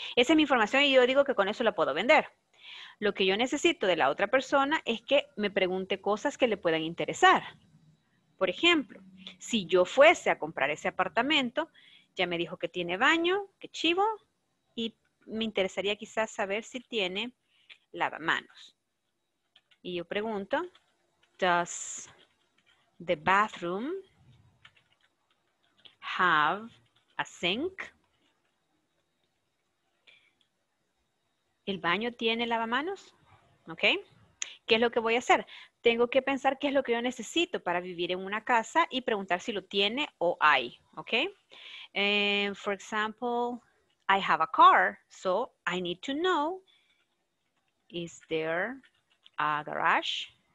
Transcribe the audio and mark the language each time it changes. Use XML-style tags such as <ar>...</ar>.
<es>Esa es mi información y yo digo que con eso la puedo vender. Lo que yo necesito de la otra persona es que me pregunte cosas que le puedan interesar. Por ejemplo, si yo fuese a comprar ese apartamento, ya me dijo que tiene baño, qué chivo, y me interesaría quizás saber si tiene lavamanos. Y yo pregunto,</es> <en>does the bathroom have a sink?</en> <es>¿El baño tiene lavamanos? ¿Ok? ¿Qué es lo que voy a hacer? Tengo que pensar qué es lo que yo necesito para vivir en una casa y preguntar si lo tiene o hay, ¿ok?</es> <en>For example, I have a car, so I need to know, is there a garage?</en>